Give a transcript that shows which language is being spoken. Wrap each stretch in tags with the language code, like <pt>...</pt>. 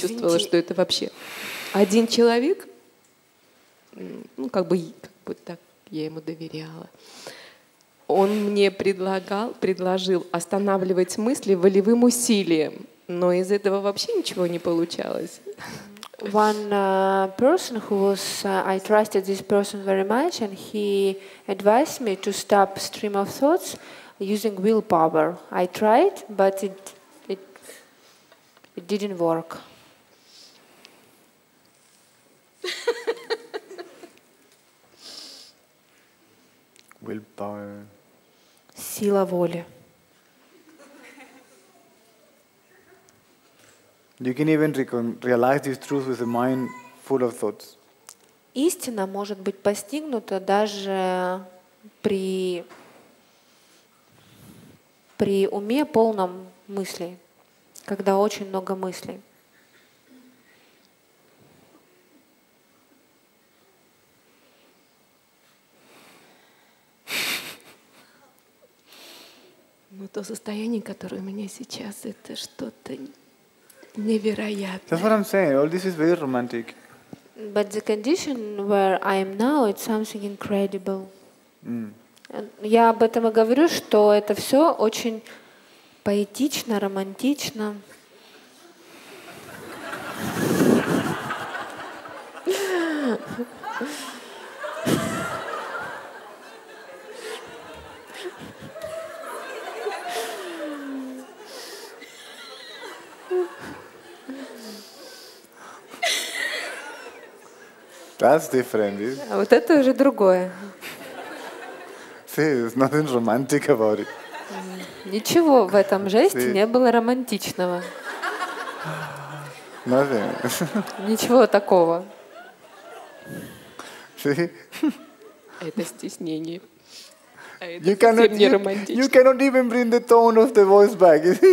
<ru>Чувствовала, что это вообще один человек, ну, как бы так я ему доверяла. Он мне предложил останавливать мысли волевым усилием, но из этого вообще ничего не получалось.</ru> <en>One person who was I trusted this person very much, and he advised me to stop stream of thoughts using willpower. I tried, but it didn't work. Willpower.</en> <ru>Сила воли.</ru> <en>You can even realize this truth with a mind full of thoughts.</en> <ru>Истина может быть постигнута даже при уме полном мыслей, когда очень много мыслей. Но то состояние, которое у меня сейчас, это что-то невероятно.</ru> <en>That's what I'm saying. All this is very romantic. But the condition where I am now, it's something incredible. Mm.</en> <ru>Я об этом и говорю, что это все очень поэтично, романтично.</ru> <en>That's different, isn't it?</en> <ru>А вот это уже другое.</ru> <en>See, there's nothing romantic about it.</en> <ru>Ничего в этом жесте не было романтичного.</ru> <en>Nothing.</en> <ru>Ничего такого.</ru> <en>See?</en> <ru>Это стеснение. А это совсем не романтично.</ru> <en>You cannot even bring the tone of the voice back.</en>